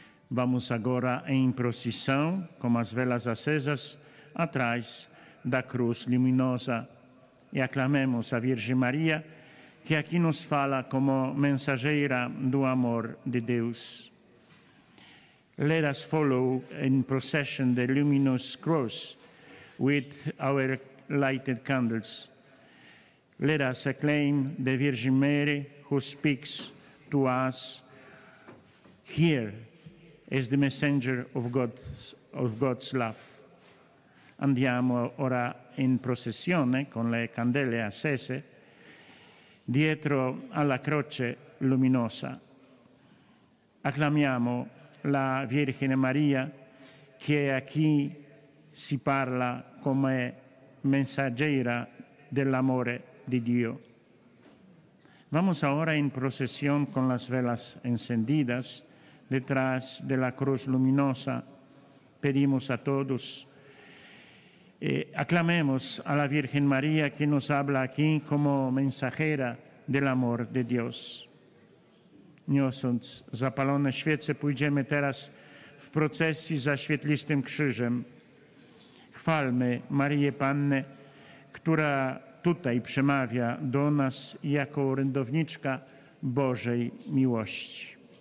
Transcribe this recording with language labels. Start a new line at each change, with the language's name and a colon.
Portuguese: Vamos agora em procissão, com as velas acesas, atrás da cruz luminosa. E aclamemos a Virgem Maria, que aqui nos fala como mensageira do amor de Deus.
English: Let us follow in procession the luminous cross with our lighted candles. Let us acclaim the Virgin Mary who speaks to us here, as the messenger of God's love.
Italian: Andiamo ora in processione con le candele accese dietro alla croce luminosa. Acclamiamo la Vergine Maria che a chi si parla come messaggera dell'amore di Dio.
Spanish: Vamos ora in processione con las velas encendidas detrás de la cruz luminosa, pedimos a todos, aclamemos a la Virgen María que nos habla aquí como mensajera del amor de Dios.
Polish: Niosąc zapalone świece, pójdziemy teraz w procesji za świetlistym krzyżem. Chwalmy Marię Pannę, która tutaj przemawia do nas jako orędowniczka Bożej miłości.